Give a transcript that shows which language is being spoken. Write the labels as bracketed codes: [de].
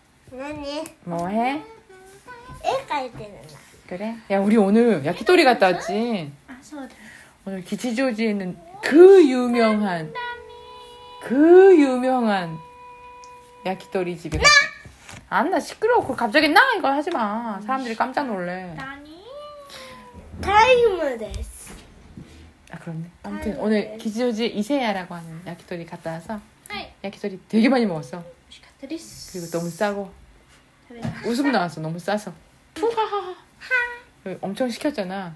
[ja] なに？もうへん。絵描いてる [ko] 그래？ [ja] いや、 [ko] 우리오늘焼き鳥갔다왔지。 [ja] あ、そうだ。 [ko] 오늘吉祥寺에는그유명한그유명한焼き鳥집에 나 아나시끄러워갑자기나이거하지마사람들이깜짝놀래 [ja] 나니 타이머です [ko] 아그렇네아무튼오늘吉祥寺이세야라고하는焼き鳥갔다와서 [ja] はい [ko] 焼き鳥되게많이먹었어 맛있었습니다 그리고너무싸고웃음나왔어너무싸서후하하하엄청시켰잖아